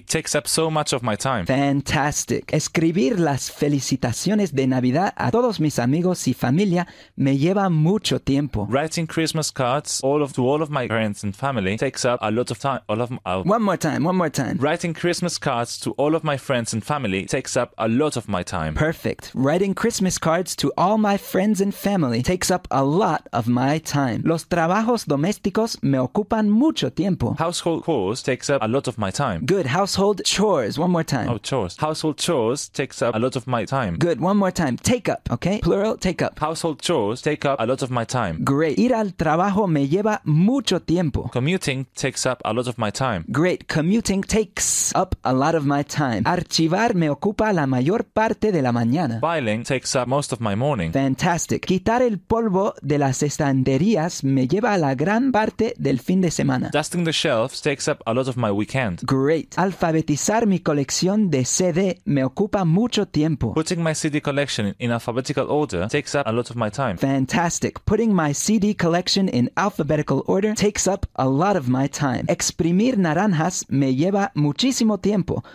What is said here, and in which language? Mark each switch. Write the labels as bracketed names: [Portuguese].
[English] It takes up so much of my time. Fantastic. [Spanish] Escribir las felicitaciones de Navidad a todos mis amigos y familia me lleva mucho tiempo. [English] Writing Christmas cards to all of my friends and family takes up a lot of time. One more time. Writing Christmas cards to all of my friends and family takes up a lot of my time. Perfect. Writing Christmas cards to all my friends and family takes up a lot of my time. [Spanish] Los trabajos domésticos me ocupan mucho tiempo. [English] Household chores takes up a lot of my time. Good. Household chores. One more time. Oh, chores. Household chores takes up a lot of my time. Good. One more time. Take up. Okay. Plural. Take up. Household chores take up a lot of my time. [Spanish] Great. Ir al trabajo me lleva mucho tiempo. [English] Commuting takes up a lot of my time. Great. Commuting takes up a lot of my time. [Spanish] Archivar me ocupa la mayor parte de la mañana. [English] Filing takes up most of my morning. Fantastic. [Spanish] Quitar el polvo de las estanterías me lleva a la gran parte del fin de semana. [English] Dusting the shelves takes up a lot of my weekend. Great. [Spanish] Alfabetizar mi colección de CD me ocupa mucho tiempo. [English] Putting my CD collection in alphabetical order takes up a lot of my time. Fantastic. Putting my CD collection in alphabetical order takes up a lot of my time. [Spanish] Exprimir naranjas me lleva muchísimo tiempo.